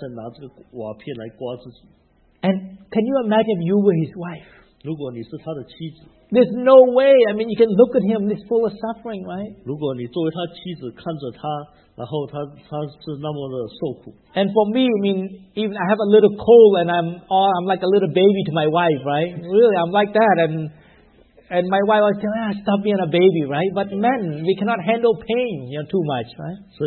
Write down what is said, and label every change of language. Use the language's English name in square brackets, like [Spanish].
[Chinese] 对我们来说呢，这个拿这个瓦片来刮自己身体是非常疼痛的。但是他因为太过疼痛了，所以他才拿这个瓦片来刮自己。 [English] And can you imagine if you were his wife? [Chinese] 如果你是他的妻子。 [English] There's no way. I mean, you can look at him. He's full of suffering, right? [Chinese] 如果你作为他妻子看着他，然后他是那么的受苦。 [English] And for me, I mean, even I have a little cold, and I'm like a little baby to my wife, right? Really, I'm like that, and my wife was saying, stop being a baby, right? But men, we cannot handle pain, you know, too much, right?